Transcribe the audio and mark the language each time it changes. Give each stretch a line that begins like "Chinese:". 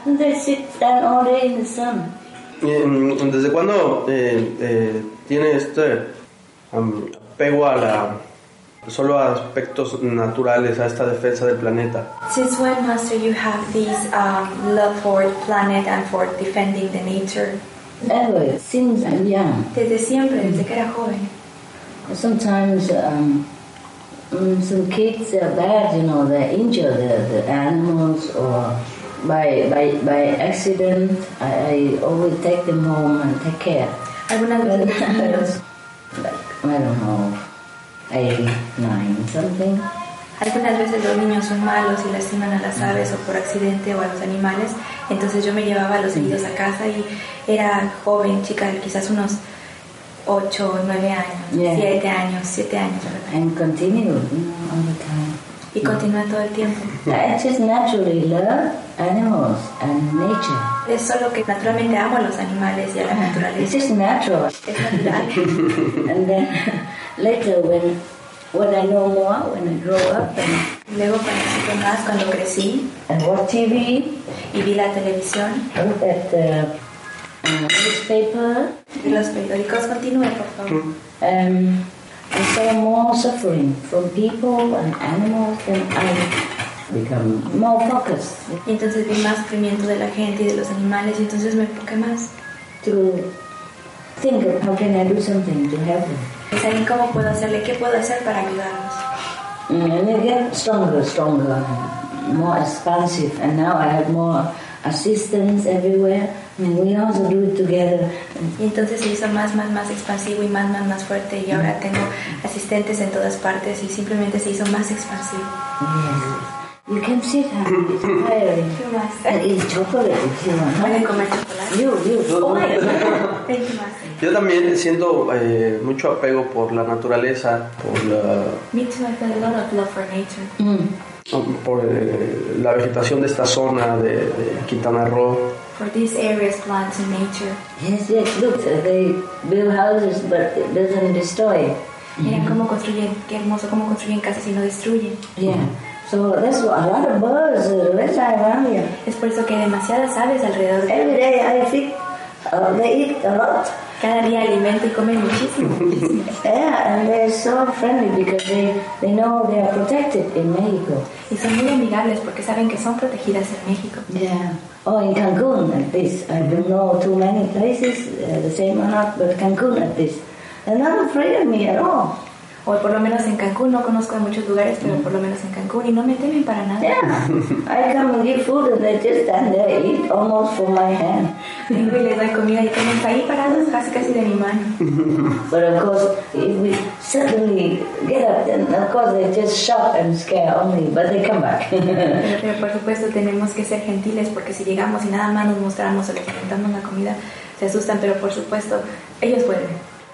English: And they sit down all day in the sun.
Spanish: ¿Desde cuándo tiene este apego a la solo a aspectos naturales, a esta defensa del planeta?
English: Since when, Master, you have this love for the planet and for defending the nature? Ever since I'm young. Desde siempre, desde que era joven. Sometimes some kids are bad, you know, they injure the animals or By accident, I always take them home and take care. I don't know, 8, 9, something.
Spanish: Algunas veces los niños son malos y lastiman a las aves o por accidente o a los animales. Entonces yo me llevaba a los niños a casa y era joven, chica, quizás unos 8, 9 años, 7 años.
English: And continue, you know, all the time.
Spanish: Y continúa todo el tiempo.
English: I just naturally love animals and nature.
Spanish: Es solo que naturalmente amo los animales y a la naturaleza.
English: It's just natural.
Spanish: Es natural.
English: And then later when I know more, when I grow up, and
Spanish: luego participé más cuando crecí.
English: And watch TV.
Spanish: Y vi la televisión.
English: Look at the newspaper.
Spanish: Y los periódicos, continúe, por favor.
English: I saw more suffering from people and animals, and I become more focused.
Spanish: Entonces vi más sufrimiento de la gente y de los animales, y entonces me enfoqué más.
English: To think of how can I do something to help them.
Spanish: Pensar en cómo puedo hacerle, qué puedo hacer para ayudarlos.
English: And I get stronger, more expansive, and now I have more assistance everywhere. And we also do it together.
Spanish: Y entonces se hizo más expansivo y más fuerte, y ahora tengo asistentes en todas partes y simplemente se hizo más expansivo.
English: Yes. You can sit here. It's tiring. And eat chocolate if you want.
Spanish: ¿Puede comer chocolate?
English: You. Oh, my God.
Spanish: Yo también siento mucho apego por la naturaleza, por la...
English: Me too, I feel a lot of love for nature.
Spanish: Por la vegetación de esta zona de Quintana Roo.
English: For these areas, plants and nature. Yes, look, they build houses, but it doesn't destroy.
Spanish: Miren cómo construyen, qué hermoso, cómo construyen casas y no destruyen.
English: So there's a lot of birds, let's say, around here.
Spanish: Es por eso que hay demasiadas aves alrededor.
English: Every day I think they eat a lot.
Spanish: Cada día alimento y comen muchísimo.
English: Yeah, and they're so friendly because they know they are protected in Mexico.
Spanish: Y son muy amigables porque saben que son protegidas en México.
English: Yeah. Oh, in Cancún at this. I don't know too many places, the same or not, but Cancún at this. They're not afraid of me at all.
Spanish: O por lo menos en Cancún, no conozco de muchos lugares, pero por lo menos en Cancún, y no me temen para nada.
English: Yeah, I come and give food and they just stand there, eat almost from my hand.
Spanish: Vengo y les doy comida y tienen ahí parados casi de mi mano.
English: But of course, if we suddenly get up, then of course they just shock and scare only, but they come back.
Spanish: Pero por supuesto tenemos que ser gentiles, porque si llegamos y nada más nos mostramos o les presentamos la comida, se asustan, pero por supuesto, ellos vuelven.